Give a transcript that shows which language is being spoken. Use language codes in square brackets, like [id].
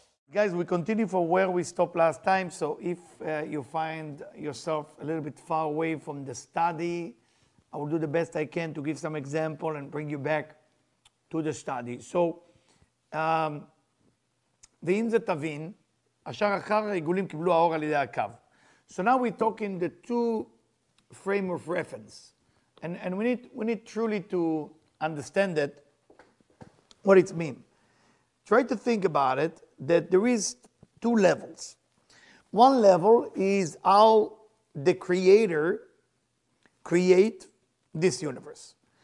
[en] Guys, we continue from where we stopped last time. So if you find yourself a little bit far away from the study, I will do the best I can to give some example and bring you back to the study. So, [he] ואם זה תבין, אשר אחר העיגולים קיבלו האור על ידי הקו. [en] So now we're talking the two frame of reference. And we need truly to understand that, what it means. Try to think about it, that there is two levels. One level is how the creator create this universe.